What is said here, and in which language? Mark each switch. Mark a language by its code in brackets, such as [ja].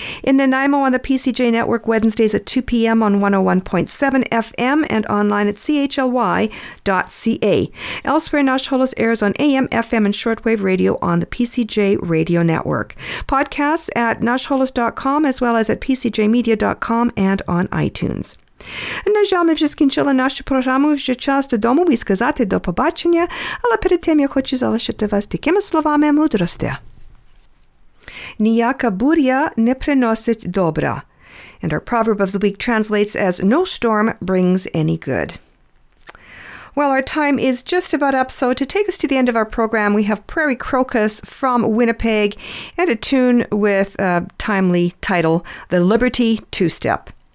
[en] In Nanaimo on the PCJ Network, Wednesdays at 2 p.m. on 101.7 FM and online at chly.ca. Elsewhere, Nash Holos airs on AM, FM, and shortwave radio on the PCJ Radio Network. Podcasts at nashholos.com as well as at pcjmedia.com and on iTunes. [uk] На жаль, ми вже скінчили нашу програму, вже час додому і сказати до побачення, але перед тим я хочу залишити вас такими словами мудрості. Ніяка буря не приносить добра. [en] And our proverb of the week translates as, no storm brings any good. Well, our time is just about up, so to take us to the end of our program, we have Prairie Crocus from Winnipeg and a tune with a timely title, The Liberty Two-Step.